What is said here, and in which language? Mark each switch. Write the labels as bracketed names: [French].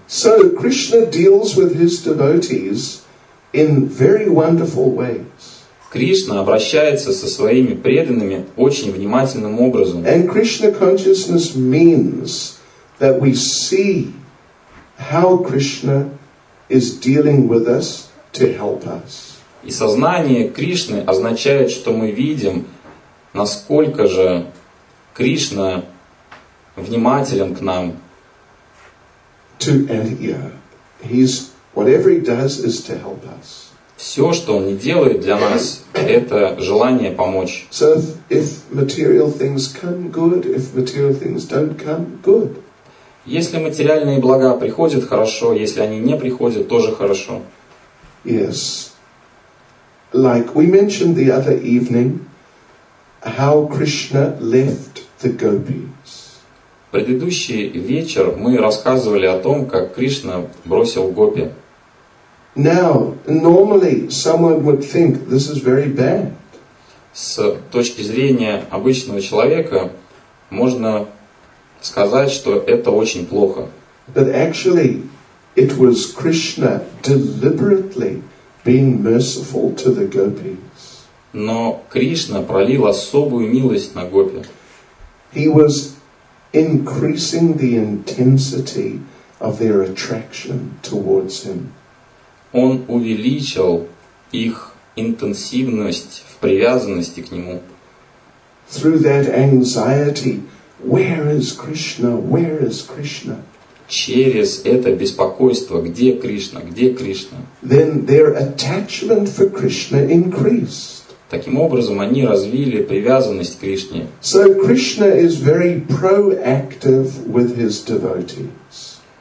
[English] So Krishna deals with his devotees in very wonderful ways. [Russian] Кришна обращается со своими преданными очень внимательным образом. [English] And Krishna consciousness means that we see how Krishna is dealing with us to help us. [Russian] И сознание Кришны означает, что мы видим, насколько же Кришна внимателен к нам. [English] To and yeah, he's whatever he does is to help us. [Russian] Все, что он не делает для нас, это желание помочь. [English] So if material things come good, if material things don't come good. [Russian] Если материальные блага приходят хорошо, если они не приходят тоже хорошо. [English] Yes. Like we mentioned the other evening, how Krishna left the gopis. [Russian] Предыдущий вечер мы рассказывали о том, как Кришна бросил гопи. [English] Now, normally someone would think this is very bad. [Russian] С точки зрения обычного человека можно сказать, что это очень плохо. [English] But actually, it was Krishna deliberately being merciful to the gopis. [Russian] Но Кришна пролил особую милость на гопи. [English] He was increasing the intensity of their attraction towards him. [Russian] Он увеличил их интенсивность в привязанности к нему. [English] Through that anxiety, where is Krishna? Where is Krishna? [Russian] Через это беспокойство, где Кришна, где Кришна? [English] Then their attachment for Krishna increased. [Russian] Таким образом, они развили привязанность к Кришне. [English] So Krishna is very proactive with his devotees.